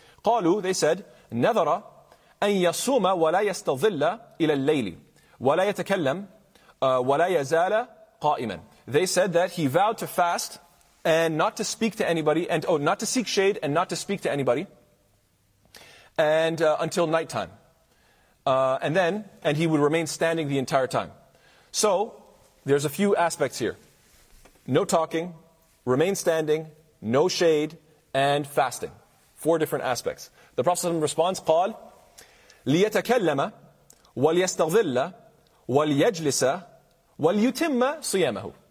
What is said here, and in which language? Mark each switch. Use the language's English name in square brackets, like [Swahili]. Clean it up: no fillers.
[Arabic] قالوا, [English] they said, [Arabic] نذر أن يصوم ولا يستظل إلى الليل ولا يتكلم ولا يزال قائما. [English] They said that he vowed to fast and not to speak to anybody, and oh, not to seek shade, and not to speak to anybody, and until nighttime. And he would remain standing the entire time. So, there's a few aspects here. No talking, remain standing, no shade, and fasting. Four different aspects. The Prophet responds, [Arabic] قال, ليتكلم وليستظل وليجلس وليتم صيامه.